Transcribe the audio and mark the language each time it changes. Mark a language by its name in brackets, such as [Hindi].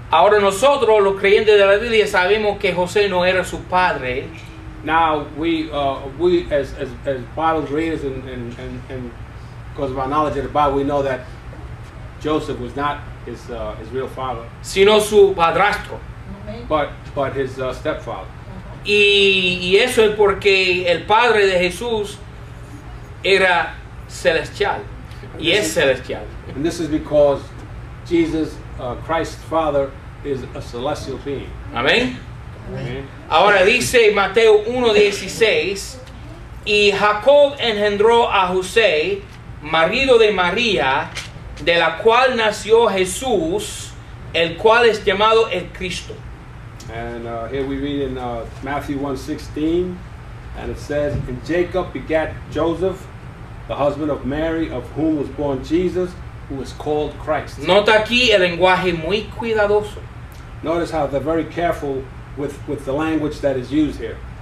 [Spanish] Ahora nosotros, los creyentes de la Biblia, sabemos que José no era su padre. [English] Now, we as Bible readers and because of our knowledge of the Bible, we know that Joseph was not his real father. [Spanish] Sino su padrastro. [English] But his stepfather. [Spanish] Y eso es porque el padre de Jesús era celestial. Y es celestial. [English] And this is because Jesus, Christ's father, is a celestial being. [Spanish] Amén. Ahora dice Mateo 1:16, y Jacob engendró a José, marido de María, de la cual nació Jesús, el cual es llamado el Cristo. [English] And here we read in Matthew 1:16, and it says, and Jacob begat Joseph, the husband of Mary, of whom was born Jesus, who is called Christ. [Spanish] Nota aquí el lenguaje muy cuidadoso. [English] Notice how they're very careful with the language that is used here.